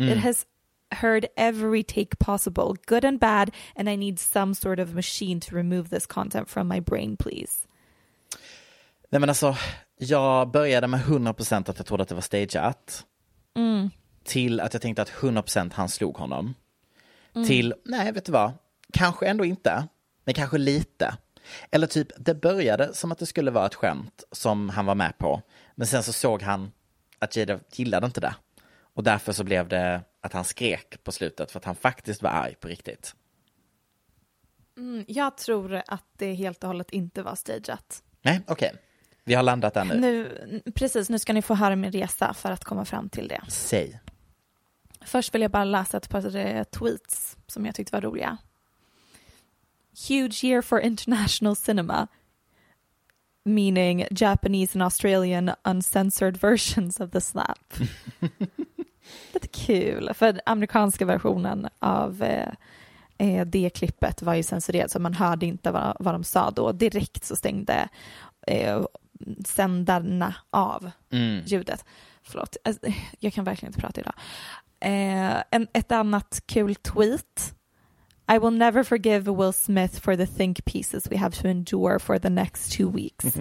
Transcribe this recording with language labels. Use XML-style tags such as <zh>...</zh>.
<en>Mm. It has heard every take possible, good and bad, and I need some sort of machine to remove this content from my brain, please.</en> <sv>Nej, men alltså, jag började med 100% att jag trodde att det var stageat. Mm. Till att jag tänkte att 100% han slog honom. Mm. Till, nej, vet du vad? Kanske ändå inte, men kanske lite. Eller typ, det började som att det skulle vara ett skämt som han var med på. Men sen så såg han att Jada gillade inte det. Och därför så blev det att han skrek på slutet för att han faktiskt var arg på riktigt. Mm, jag tror att det helt och hållet inte var stageat. Nej, okej. Vi har landat där nu. Precis, nu ska ni få höra min resa för att komma fram till det. Säg. Först vill jag bara läsa ett par tweets som jag tyckte var roliga.</sv> <en>Huge year for international cinema, meaning Japanese and Australian uncensored versions of the slap.</en> <sv>Det är kul, för den amerikanska versionen av det klippet var ju censurerad, så man hörde inte vad de sa då. Direkt så stängde sändarna av ljudet. Förlåt, jag kan verkligen inte prata idag. Ett annat kul tweet:</sv> <en>I will never forgive Will Smith for the think pieces we have to endure for the next 2 weeks.</en>